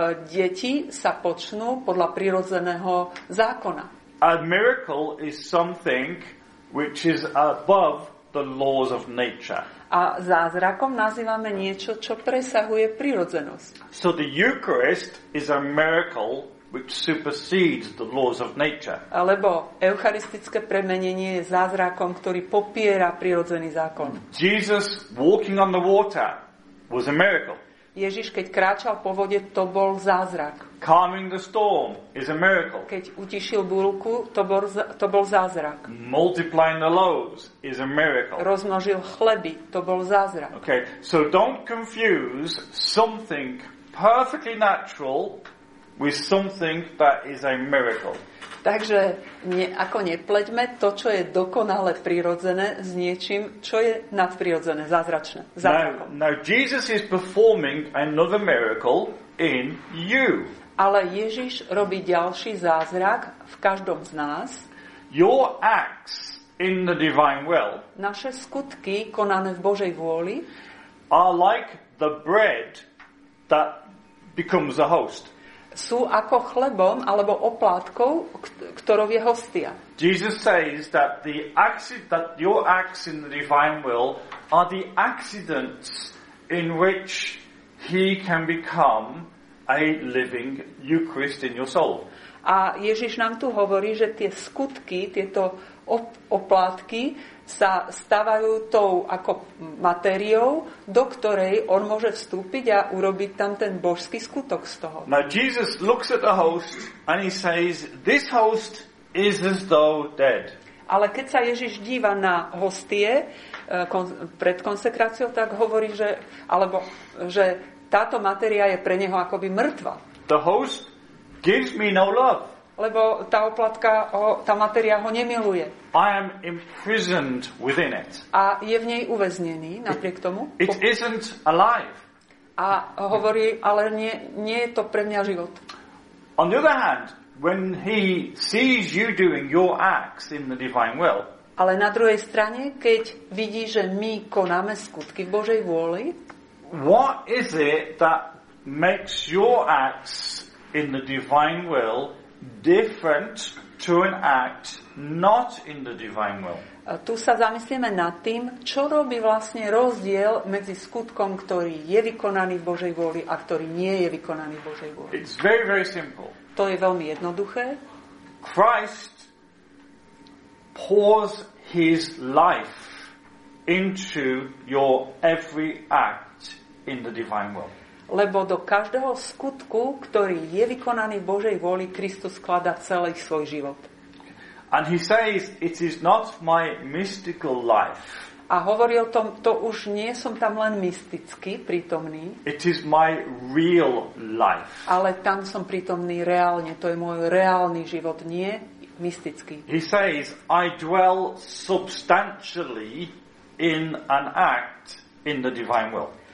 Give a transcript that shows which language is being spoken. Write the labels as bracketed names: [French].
[Slovak] Deti sa počnú podľa prirodzeného zákona. [English] A miracle is something which is above the laws of nature. [Slovak] A zázrakom nazývame niečo, čo presahuje prirodzenosť. [English] So the Eucharist is a miracle which supersedes the laws of nature. [Slovak] Alebo eucharistické premenenie je zázrakom, ktorý popiera prirodzený zákon. [English] Jesus walking on the water was a miracle. [Slovak] Ježiš, keď kráčal po vode, to bol zázrak. [English] Calming the storm is a miracle. [Slovak] Keď utišil búrku, to bol zázrak. [English] Multiplying the loaves is a miracle. [Slovak] Rozmnožil chleby, to bol zázrak. [English] Okay, so don't confuse something perfectly natural with something that is a miracle. [Slovak] Takže ako nepleťme to, čo je dokonale prirodzené, s niečím, čo je nadprirodzené, zázračné. [English] Now Jesus is performing another miracle in you. [Slovak] Ale Ježiš robí ďalší zázrak v každom z nás. [English] Your acts in the divine will. [Slovak] Naše skutky konané v Božej vôli [English] are like the bread that becomes a host. [Slovak] Sú ako chlebom alebo oplátkou, ktorou je hostia. [English] Jesus says that your acts in the divine will are the accidents in which he can become a living Eucharist in your soul. [Slovak] A Ježiš nám tu hovorí, že tie skutky, tieto oplátky sa stávajú tou ako materiou, do ktorej on môže vstúpiť a urobiť tam ten božský skutok z toho. [English] Now Jesus looks at the host and he says, this host is as though dead. [Slovak] Ale keď sa Ježiš díva na hostie pred konsekráciou, tak hovorí, že táto materia je pre neho akoby mŕtva. [English] The host gives me no love. [Slovak] Lebo tá oplatka, tá materia ho nemiluje. [English] I am imprisoned within it. [Slovak] A je v nej uväznený, napriek tomu. [English] It isn't alive. [Slovak] A hovorí, ale nie je to pre mňa život. [English] On the other hand, when he sees you doing your acts in the divine will, [Slovak] ale na druhej strane, keď vidí, že my konáme skutky v Božej vôli, [English] what is it that makes your acts in the divine will different to an act not in the divine will? [Slovak] Tu sa zamyslíme nad tým, čo robí vlastne rozdiel medzi skutkom, ktorý je vykonaný v Božej vôli a ktorý nie je vykonaný v Božej vôli. [English] It's very, very simple. [Slovak] To je veľmi jednoduché. [English] Christ pours his life into your every act in the divine will. [Slovak] Lebo do každého skutku, ktorý je vykonaný v Božej vôli, Kristus skladá celý svoj život. [English] And he says, it is not my mystical life. [Slovak] A hovorí o tom, to už nie som tam len mysticky prítomný. [English] It is my real life. [Slovak] Ale tam som prítomný reálne, to je môj reálny život, nie mystický. [English] He says, I dwell substantially in an act in the divine will.